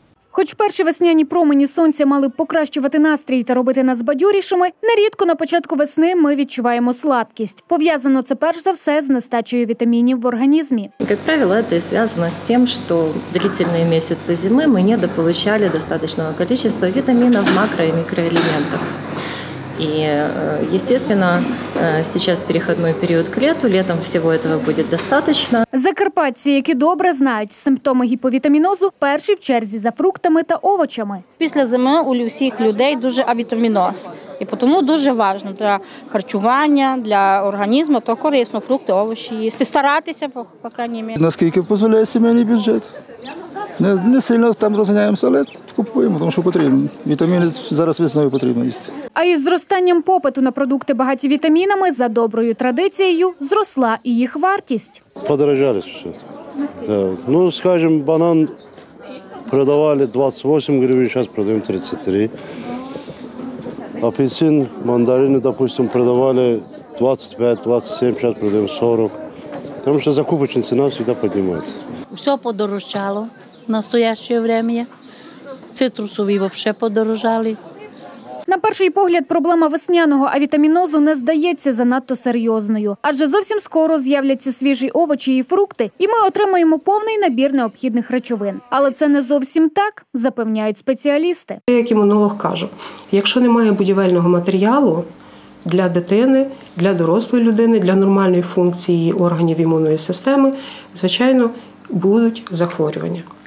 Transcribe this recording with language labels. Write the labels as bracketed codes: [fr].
[uk] Хоч перші весняні промені сонця мали б покращувати настрій та робити нас бадьорішими, нерідко на початку весни ми відчуваємо слабкість. Пов'язано це перш за все з нестачею вітамінів в організмі. Як правило, це зв'язано з тим, що длительні місяці зими ми не дополучали достатнього кількості вітамінів, макро- і мікроелементів. [ru] И, естественно, сейчас переходной период к лету, летом всего этого будет достаточно. [uk] Закарпатці, які добре знають симптоми гіповітамінозу, перші в черзі за фруктами та овочами. Після зими у всіх людей дуже авітамінос. І тому дуже важливо для харчування, для організму, то корисно фрукти, овочі їсти, старатися, по крайній мірі. Наскільки дозволяє сімейний бюджет. Не сильно там розганяємося, але купуємо, тому що потрібно. Вітаміни зараз весною потрібно їсти. А із зростанням попиту на продукти багаті вітамінами, за доброю традицією, зросла і їх вартість. Подорожали все. Ну, скажімо, банан продавали 28 гривень, зараз продаємо 33. Апельсин, мандарини, допустимо, продавали 25-27, зараз продаємо 40. Тому що закупочна ціна завжди піднімається. Все подорожчало. [ru] В настоящее время цитрусові вообще подорожали. [uk] На перший погляд, проблема весняного авітамінозу не здається занадто серйозною. Адже зовсім скоро з'являться свіжі овочі і фрукти, і ми отримаємо повний набір необхідних речовин. Але це не зовсім так, запевняють спеціалісти. Як імунолог каже, якщо немає будівельного матеріалу для дитини, для дорослої людини, для нормальної функції органів імунної системи, звичайно, будуть захворювання.